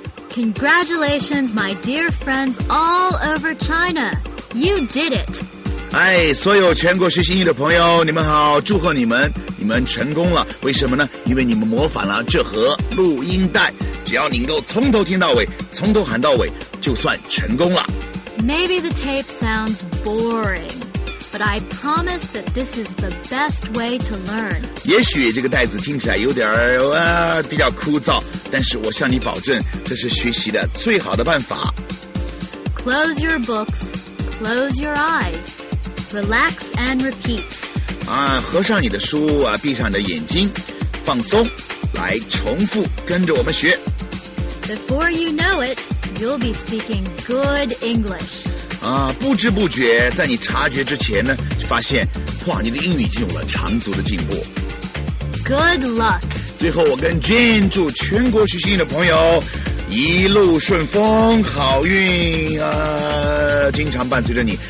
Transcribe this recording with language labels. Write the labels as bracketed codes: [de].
[en] Congratulations, my dear friends all over China. You did it. [zh] 哎，所有全国学习英语的朋友，你们好，祝贺你们。你们成功了，为什么呢？因为你们模仿了这盒录音带，只要你能够从头听到尾，从头喊到尾，就算成功了。 [en] Maybe the tape sounds boring, but I promise that this is the best way to learn. [zh] 也许这个带子听起来有点比较枯燥，但是我向你保证，这是学习的最好的办法。 [en] Close your books, close your eyes, relax and repeat. [zh] 啊，合上你的书啊，闭上你的眼睛，放松，来重复跟着我们学。 [en] Before you know it, you'll be speaking good English. [zh] 啊，不知不觉，在你察觉之前呢，就发现，哇，你的英语已经有了长足的进步。 [en] Good luck. [zh] 最后，我跟 Jane 祝全国学习英语的朋友一路顺风，好运啊，经常伴随着你。